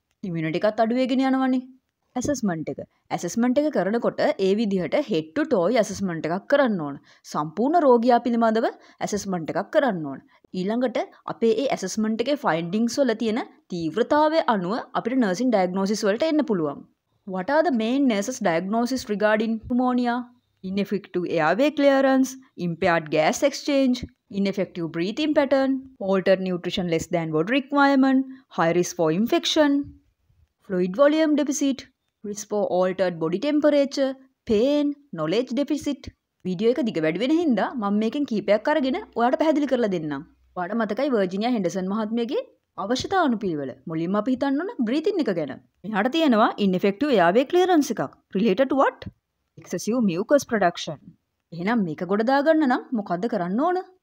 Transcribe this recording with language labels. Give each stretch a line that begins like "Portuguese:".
Sinhala: Immunity එකත් අඩු වෙගෙන යනවනේ. ඇසස්මන්ට් එක. ඇසස්මන්ට් එක කරනකොට ඒ විදිහට හෙඩ් ටු ටෝයි ඇසස්මන්ට් එකක් කරන්න ඕන. සම්පූර්ණ රෝගියා පිළිබඳව ඇසස්මන්ට් එකක් කරන්න ඕන. ඊළඟට අපේ ඒ ඇසස්මන්ට් එකේ ෆයින්ඩිංස් වල තියෙන තීව්‍රතාවය අනුව අපිට නර්සින් ඩයග්නෝසිස් වලට එන්න පුළුවන්.
English: What are the main nurses diagnosis regarding pneumonia? Ineffective airway clearance, impaired gas exchange, ineffective breathing pattern, altered nutrition less than what requirement, high risk for infection, fluid volume deficit, risk for altered body temperature, pain, knowledge deficit.
Sinhala: Video එක දිග වැඩි වෙන හින්දා මම මේකෙන් කීපයක් අරගෙන ඔයාලට පැහැදිලි කරලා දෙන්නම්. ඔයාලට මතකයි වර්ජිනියා හෙන්ඩර්සන් මහත්මියගේ අවශ්‍යතානුපිළිවෙල. මුලින්ම අපි හිතන්න ඕන බ්‍රීතින් එක ගැන. මෙහාට තියෙනවා ඉන්ෆෙක්ටිව් එයාවේ ක්ලියරන්ස් එකක්. රිලේටඩ් වට්? එක්සෙසිව් මියුකස් ප්‍රොඩක්ෂන්. එහෙනම් මේක ගොඩ දාගන්න නම් මොකද්ද කරන්න ඕන?